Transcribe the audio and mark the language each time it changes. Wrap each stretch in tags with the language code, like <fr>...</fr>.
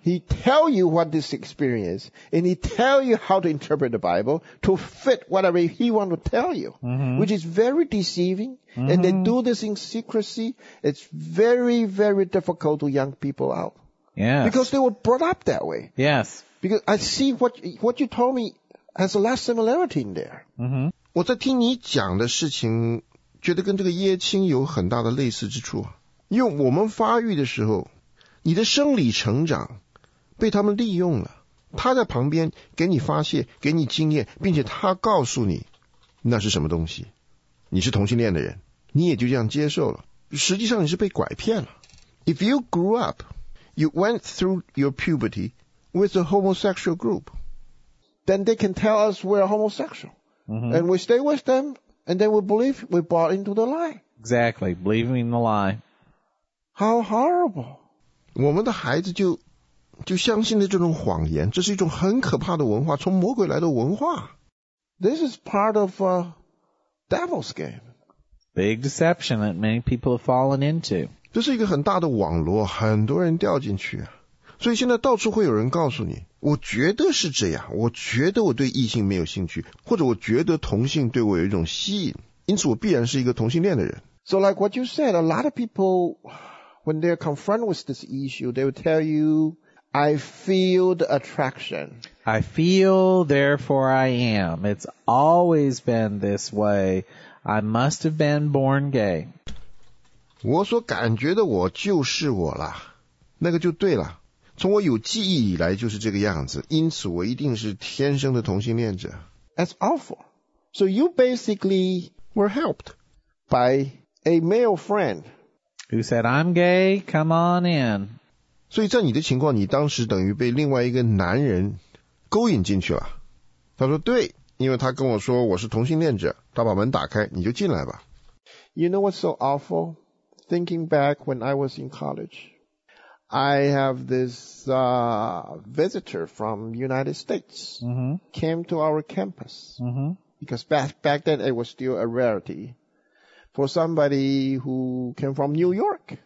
<en>he tell you what this experience, and he tell you how to interpret the Bible to fit whatever he want to tell you,、 mm-hmm. which is very deceiving,、mm-hmm. and they do this in secrecy. It's very, very difficult to young people out. Yes. Because they were brought up that way. Yes. Because I see what you told me has a lot of similarity in there.、 Mm-hmm.</en> <zh>我在听你讲的事情觉得跟这个耶青有很大的类似之处，因为我们发育的时候，你的生理成长被他们利用了，他在旁边给你发泄，给你经验，并且他告诉你那是什么东西，你是同性恋的人，你也就这样接受了，实际上你是被拐骗了。</zh> <en>If you grew up, you went through your puberty with a homosexual group, then they can tell us we're homosexual、 mm-hmm. and we stay with themAnd then we bought into the lie. Exactly, believing the lie. How horrible.</en> <zh>我们的孩子就相信了这种谎言，这是一种很可怕的文化，从魔鬼来的文化。</zh> <en>This is part of a devil's game. Big deception that many people have fallen into.</en> <zh>这是一个很大的网络，很多人掉进去。所以现在到处会有人告诉你，我觉得是这样，我觉得我对异性没有兴趣，或者我觉得同性对我有一种吸引，因此我必然是一个同性恋的人。</zh> <en>So like what you said, a lot of people when they're confronted with this issue, they will tell you, I feel the attraction. I feel, therefore I am. It's always been this way. I must have been born gay.</en> <zh>我所感觉的我就是我啦，那个就对了，从我有记忆以来就是这个样子，因此我一定是天生的同性恋者。</zh> <en>That's awful. So you basically were helped by a male friend who said, I'm gay, come on in.</en> <zh>所以在你的情况，你当时等于被另外一个男人勾引进去了。他说对，因为他跟我说我是同性恋者，他把门打开，你就进来吧。</zh> <en>You know what's so awful? Thinking back when I was in college,I have this, visitor from United States、 mm-hmm. came to our campus、 mm-hmm. because back then it was still a rarity for somebody who came from New York、</en>